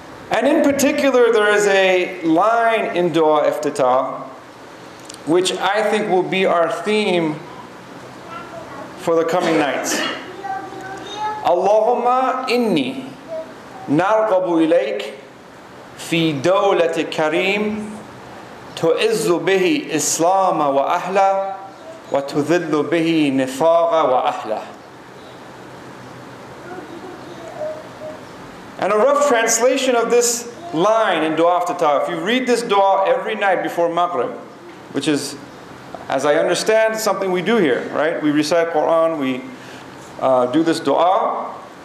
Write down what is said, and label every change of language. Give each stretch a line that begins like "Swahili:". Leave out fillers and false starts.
English: And in particular, there is a line in Dua Iftitah, which I think will be our theme for the coming nights.
Arabic: Allahumma inni نرغب إليك في دولة كريم تعز به إسلام وأهله وتذل به نفاق وأهله.
English: And a rough translation of this line in Dua Iftitah. If you read this Dua every night before Maghrib, which is, as I understand, something we do here, right? We recite Quran, we do this Dua.